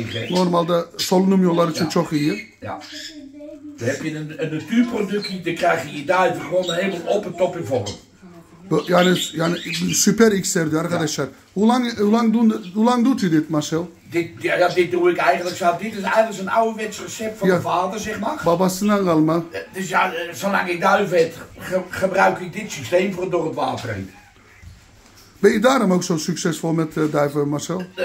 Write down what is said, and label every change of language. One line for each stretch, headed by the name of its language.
Turkish: Normalde solunum yolları için çok iyi. Ya.
Dutch: Dan heb je een natuurproductie, dan krijg je je duiven gewoon helemaal op het top in vorm.
Turkish: Yani süper ikser diyor arkadaşlar.
Dutch: Hoe lang doet u dit, Marcel? Dit doe ik eigenlijk zo. Dit is eigenlijk een ouderwets recept van de vader, zeg maar.
Turkish: Babasından kalma.
Dutch: Dus ja, zolang ik duiven heb, gebruik ik dit systeem voor door het water heen. Ben je daarom ook zo succesvol met duiven, Marcel?